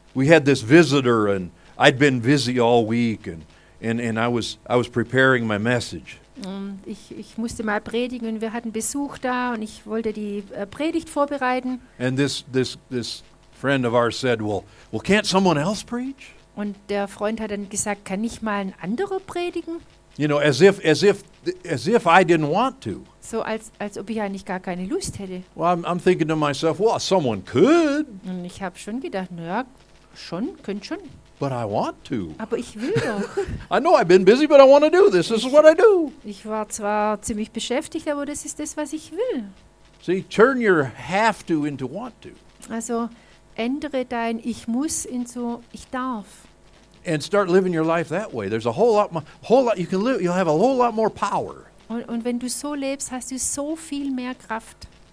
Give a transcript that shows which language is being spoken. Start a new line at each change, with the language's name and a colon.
English: We had this visitor and I'd been busy all week and I was preparing my message.
German: Ich musste mal predigen und wir hatten Besuch da und ich wollte die Predigt vorbereiten.
English: And this friend of ours said, well can't someone else preach?
German: Und der Freund hat dann gesagt, kann ich mal ein anderer predigen?
English: You know, as if I didn't want to.
German: So als ob ich eigentlich gar keine Lust hätte.
English: Well, I'm thinking to myself, well, someone could.
German: Und ich habe schon gedacht, na ja, schon, könnte schon.
English: But I want to.
German: Aber ich will doch.
English: I know I've been busy, but I want to do this. This is what I do.
German: Ich war zwar ziemlich beschäftigt, aber das ist das, was ich will.
English: See, turn your have to into want to.
German: Also ändere dein ich muss in so ich darf.
English: And start living your life that way. There's a whole lot you can live. You'll have a whole lot more power.
German: Und wenn du so lebst, hast du so viel mehr Kraft.